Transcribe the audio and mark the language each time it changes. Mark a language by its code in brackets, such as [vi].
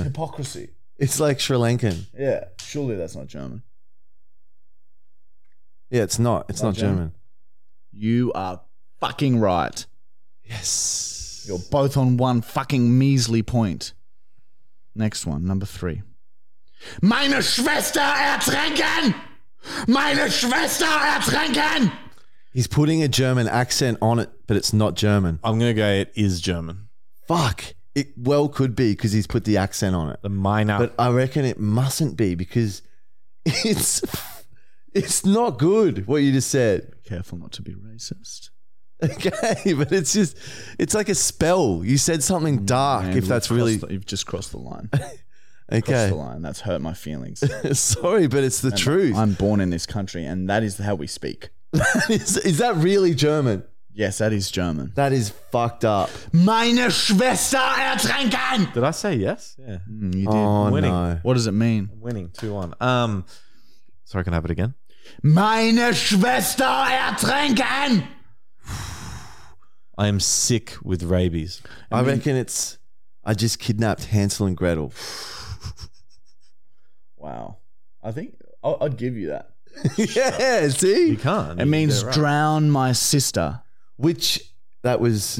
[en] It's hypocrisy. It's like Sri Lankan. Yeah, surely that's not German. Yeah, it's not. It's not German. You are fucking right. Yes. You're both on one fucking measly point. Next one, number three. [de] Meine Schwester ertränken! Meine Schwester ertränken! [en] He's putting a German accent on it, but it's not German. I'm going to go, it is German. Fuck. It well could be because he's put the accent on it. The minor. But I reckon it mustn't be because it's not good what you just said. Careful not to be racist. Okay, but it's just, it's like a spell. You said something dark, man, if that's really... You've just crossed the line. Okay. Crossed the line. That's hurt my feelings. Sorry, but it's the truth. I'm born in this country, and that is how we speak. Is that really German? Yes, that is German. That is fucked up. [de] Meine Schwester ertränken! [en] Did I say yes? Yeah. You did. Oh, winning. No. What does it mean? I'm winning. 2-1. Sorry, can I have it again? [de] Meine Schwester ertränken! [en] I am sick with rabies. I reckon I just kidnapped Hansel and Gretel. Wow. I think I'd give you that. Yeah, see? You can't. It means right. Drown my sister. Which, that was